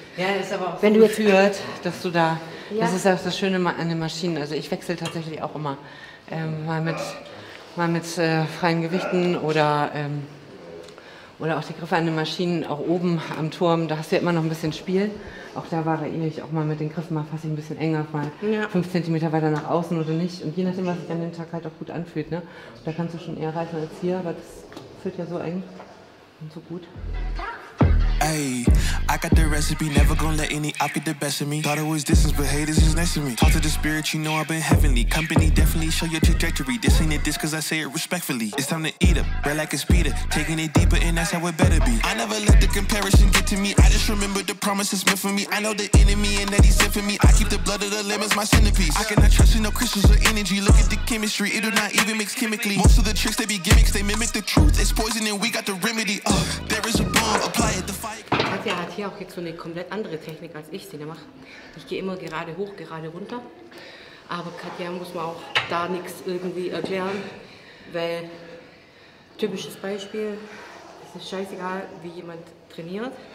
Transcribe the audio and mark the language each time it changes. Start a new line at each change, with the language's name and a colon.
German: Ja, das ist aber auch so, wenn du geführt, jetzt, dass du da, ja. Das ist auch das Schöne an den Maschinen, also ich wechsle tatsächlich auch immer, mal mit freien Gewichten oder auch die Griffe an den Maschinen, auch oben am Turm, da hast du ja immer noch ein bisschen Spiel. Auch da variiere ich auch mal mit den Griffen, mal fasse ich ein bisschen enger, mal 5 cm weiter nach außen oder nicht. Und je nachdem, was sich an dem Tag halt auch gut anfühlt, ne? Da kannst du schon eher reißen als hier, weil das fühlt ja so eng und so gut.
English: Ey, I got the recipe, never gonna let any op get the best of me. Thought it was distance, but haters is next to me. Talk to the spirit, you know I've been heavenly. Company definitely show your trajectory. This ain't a diss, cause I say it respectfully. It's time to eat up, bread like it's pita. Taking it deeper, and that's how it better be. I never let the comparison get to me. I just remember the promises meant for me. I know the enemy and that he sent for me. I keep the blood of the lamb as my centerpiece. I cannot trust in no crystals or energy. Look at the chemistry, it do not even mix chemically. Most of the tricks, they be gimmicks, they mimic the truth. It's poison and we got the remedy. There is a bomb, apply it, the fire.
German: Katja hat hier auch jetzt so eine komplett andere Technik, als ich sie mache. Ich gehe immer gerade hoch, gerade runter. Aber Katja muss man auch da nichts irgendwie erklären, weil typisches Beispiel, es ist scheißegal, wie jemand trainiert.